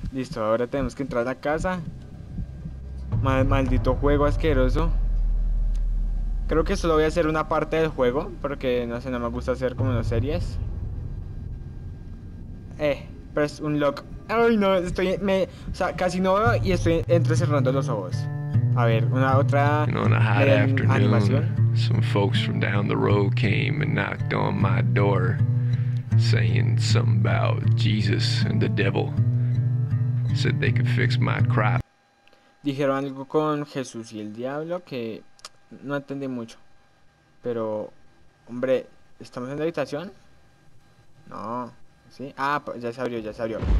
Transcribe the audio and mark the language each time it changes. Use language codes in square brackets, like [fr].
[es] Listo, ahora tenemos que entrar a la casa. Maldito juego asqueroso. Creo que solo voy a hacer una parte del juego. Porque no sé, no me gusta hacer como las series. [en] Press Unlock. [es] Ay, no, estoy. O sea, casi no veo y estoy entrecerrando los ojos. A ver, una otra. [en] And on a hot afternoon, [es] Animación. [en] some folks from down the road came and knocked on my door, saying something about Jesus and the devil. Said they could fix my crop. [es] Dijeron algo con Jesús y el diablo que no entendí mucho. Pero, hombre, ¿estamos en la habitación? No. ¿Sí? Ah, pues ya se abrió, ya se abrió.